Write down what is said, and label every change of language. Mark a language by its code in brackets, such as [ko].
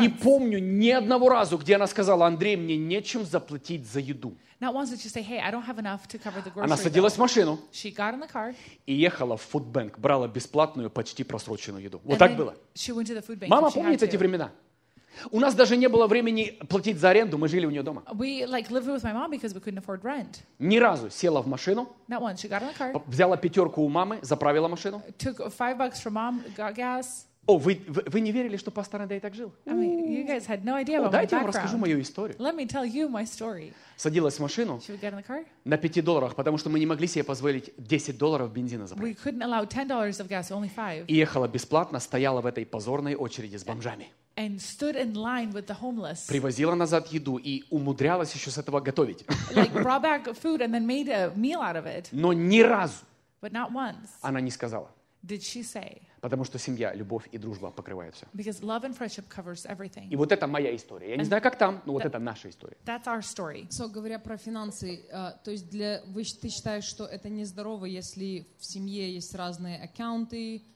[ru] Не помню ни одного разу, где она сказала, Андрей, мне нечем заплатить за еду. [en] Not once did she say, hey, I don't have enough to cover the grocery. [ru] Она садилась в машину. [en] She got in the car. [ru] И ехала в фудбанк, брала бесплатную, почти просроченную еду. Вот так было. [en] She went to the food bank. [ru] Мама помнит эти времена? У нас даже не было времени платить за аренду, мы жили у нее дома. [en] We like lived with my mom because we couldn't afford rent. [ru] Ни разу села в машину. [en] Not once. She got in the car. [ru] Взяла пятерку у мамы, заправила машину. [en] Took $5 from mom, got gas. [ru] О, вы не верили, что пастор Андрей так жил? [en] I mean, you guys had no idea. [ru] О, дайте вам расскажу мою историю. [en] Let me tell you my story. [ru] Садилась в машину. [en] Should we get in the car? [ru] На $5, потому что мы не могли себе позволить $10 бензина заправить. [en] We couldn't allow $10 of gas, only $5. [ru] И ехала бесплатно, стояла в этой позорной очереди с бомжами. [en] And stood in line with the homeless. [ru] Привозила назад еду и умудрялась еще с этого готовить. [en] Like brought back food and then made a meal out of it. [ru] Но ни разу. [en] But not once. [ru] Она не сказала. [en] Did she say? [ru] Потому что семья, любовь и дружба покрывают все. [en] Because love and friendship covers everything. [ru] И вот это моя история. Я не знаю, как там, но вот это наша история. [en] That's our story. [ru] So, говоря про финансы, то есть для вы ты считаешь, что это нездорово, если в семье есть разные аккаунты?